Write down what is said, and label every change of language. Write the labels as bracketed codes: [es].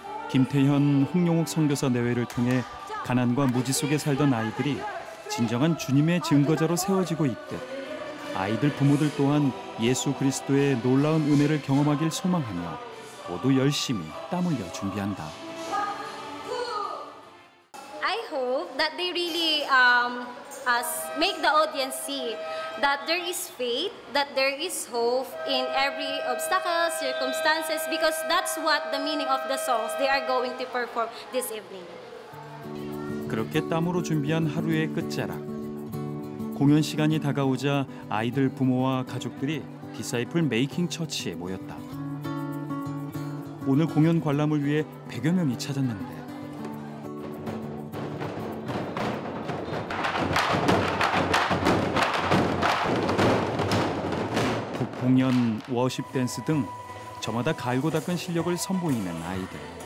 [ko] 김태현 홍용욱 선교사 내외를 통해 가난과 무지 속에 살던 아이들이 진정한 주님의 증거자로 세워지고 있듯 아이들 부모들 또한 예수 그리스도의 놀라운 은혜를 경험하길 소망하며 모두 열심히 땀 흘려 준비한다. [en] I hope that they really make the audience see that there is faith, that there is hope in every obstacle, circumstances, because that's what the meaning of the songs they are going to perform this evening. [ko] 그렇게 땀으로 준비한 하루의 끝자락. 공연 시간이 다가오자 아이들 부모와 가족들이 디사이플 메이킹 처치에 모였다. 오늘 공연 관람을 위해 100여 명이 찾았는데 북풍년, 워십 댄스 등 저마다 갈고 닦은 실력을 선보이는 아이들.